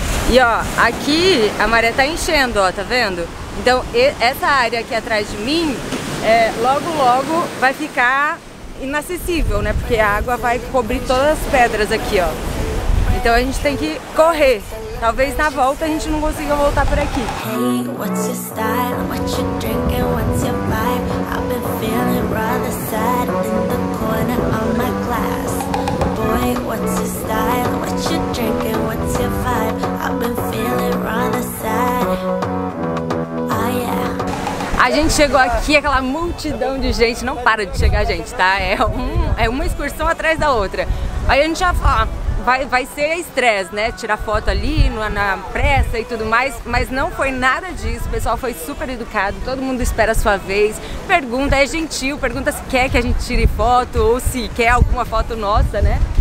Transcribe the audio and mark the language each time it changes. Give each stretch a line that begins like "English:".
Portuguese: E ó, aqui a maré tá enchendo, ó, tá vendo? Então, essa área aqui atrás de mim, logo logo vai ficar inacessível, né? Porque a água vai cobrir todas as pedras aqui, ó. Então a gente tem que correr. Talvez na volta a gente não consiga voltar por aqui.
English: Hey, what's your style? What you drinking? What's your vibe? I've been feeling rather sad in the corner of my class. Boy, what's your style? What you drinking? What's your vibe? I've been feeling rather sad.
Portuguese: A gente chegou aqui, aquela multidão de gente, não para de chegar gente, tá? É uma excursão atrás da outra. Aí a gente já fala, vai ser estresse, né? Tirar foto ali, na pressa e tudo mais, mas não foi nada disso. O pessoal foi super educado, todo mundo espera a sua vez, pergunta, é gentil, pergunta se quer que a gente tire foto ou se quer alguma foto nossa, né?